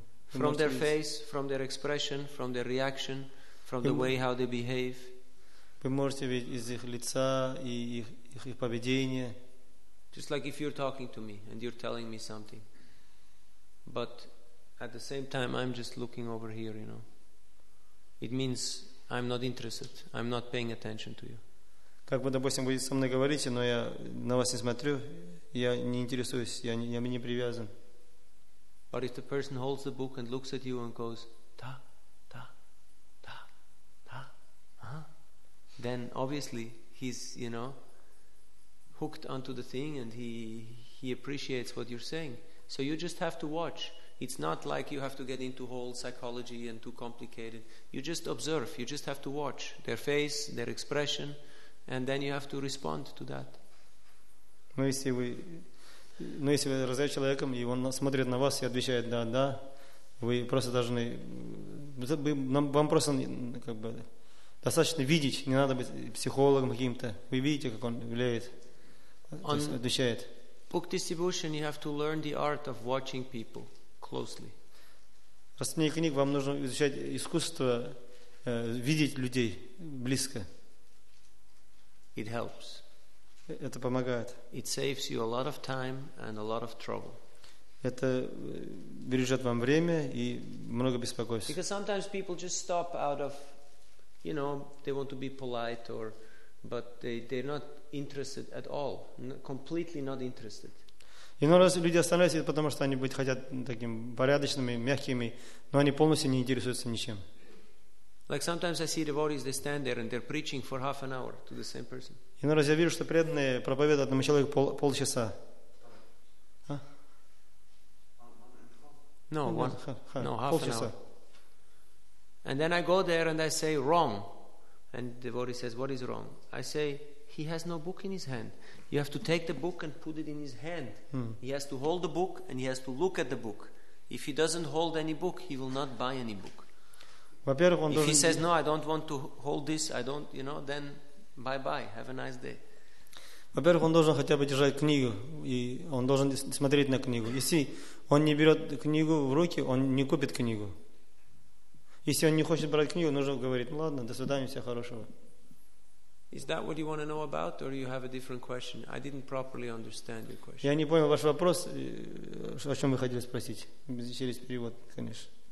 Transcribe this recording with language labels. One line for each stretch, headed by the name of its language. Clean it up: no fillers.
English: from their face, from their expression, from their reaction, from the way how they behave.
Russian: Вы можете видеть из их лица и их поведение.
English: Just like if you're talking to me and you're telling me something, but at the same time I'm just looking over here, you know. It means I'm not interested. I'm not paying attention to you.
Russian: Как бы, допустим, вы со мной говорите, но я на вас не смотрю, я не интересуюсь, я не привязан.
English: But if the person holds the book and looks at you and goes ta ta ta ta, then obviously he's, you know, hooked onto the thing and he appreciates what you're saying. So you just have to watch. It's not like you have to get into whole psychology and too complicated. You just observe. You just have to watch their face, their expression, and then you have to respond to that.
Russian: Но если вы разговариваете с человеком, и он смотрит на вас и отвечает «да, да», вы просто должны... Вам просто как бы достаточно видеть, не надо быть психологом каким-то. Вы видите, как он влияет, отвечает.
English: Book distribution, you have to learn the art of watching people closely.
Russian: Распространение книг, вам нужно изучать искусство видеть людей близко.
English: It helps.
Russian: Это помогает.
English: It saves you a lot of time and a lot of trouble.
Russian: Это бережет вам время и много беспокойств.
English: Because sometimes people just stop out of, you know, they want to be polite or, but they're not interested at all, completely not interested.
Russian: Иногда люди останавливаются, потому что они быть хотят таким порядочными, мягкими, но они полностью не интересуются ничем.
English: Like sometimes I see devotees, they stand there and they're preaching for half an hour to the same person.
Russian: Иногда я вижу, что преданные проповедуют одному человеку полчаса.
English: No, half an hour. And then I go there and I say, wrong. And the devotee says, what is wrong? I say, he has no book in his hand. You have to take the book and put it in his hand. He has to hold the book and he has to look at the book. If he doesn't hold any book, he will not buy any book.
Russian: Во-первых, он
English: if
Russian: должен...
English: he says, no, I don't want to hold this, I don't, you know, then bye-bye, have a nice day.
Russian: Во-первых, он должен хотя бы держать книгу, и он должен смотреть на книгу. Если он не берет книгу в руки, он не купит книгу. Если он не хочет брать книгу, нужно говорить, ну ладно, до свидания, всего хорошего.
English: Is that what you want to know about, or you have a different question? I didn't properly understand your question.
Russian: Я не понял ваш вопрос, о чем вы хотели спросить, через перевод, конечно.